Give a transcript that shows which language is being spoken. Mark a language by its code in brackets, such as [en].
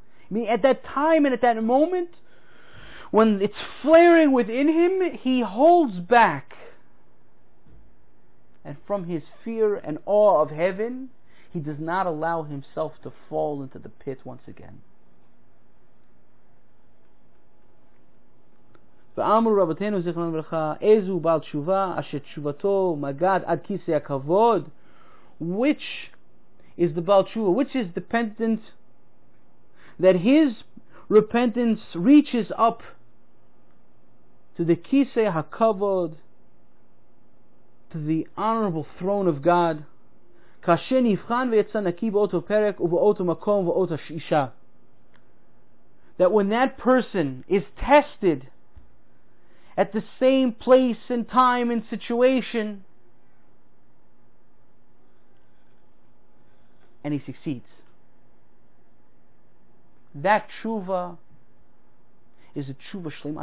[en] I mean, at that time and at that moment, when it's flaring within him, he holds back. And from his fear and awe of heaven, he does not allow himself to fall into the pit once again. [he] ואמרו רבותינו זכרון ברכה איזו בעל תשובה אשר תשובתו מגעת עד כיסא הכבוד. [en] Which is the בעל תשובה, which is the penitent, that his repentance reaches up to the כיסא הכבוד, to the honorable throne of God. [he] כאשר נבחן ויצא נקי באותו פרק ובאותו מקום ואותו אישה. [en] That when that person is tested at the same place and time and situation, and he succeeds. That tshuva is a tshuva shlema.